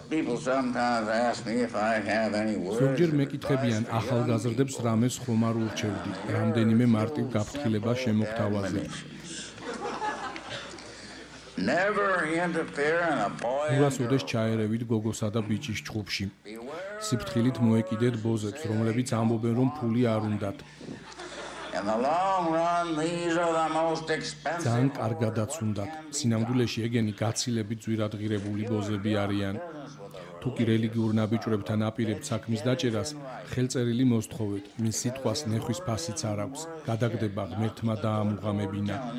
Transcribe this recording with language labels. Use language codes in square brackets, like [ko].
[ka] ზოგჯერ მეკითხებიან ახალგაზრდებს რამეს ხომ არ ურჩევდი, რამდენიმე მარტივ გაფრთხილება შემოგთავაზე. ურას უდეს ჩაერევით გოგოსა და ბიჭის ჩხუბში. სიფრთხილით მოეკიდეთ ბოზებს, რომლებიც ამბობენ, რომ ფული არ უნდათ. [en] In the long run these are the most expensive. [ka] ძალიან კარგადაც უნდათ. სინამდვილეში ეგენი გაცილებით ძვირადღირებული ბოზები არიან. თუ კი რელიგიურ ნაბიჭვრებთან აპირებთ საქმის დაჭერას, ხელწერილი მოსთხოვეთ. მის სიტყვას ნეხვის ფასიც არ აქვს. გადაგდება ღმერთმა დაამუღამებინა.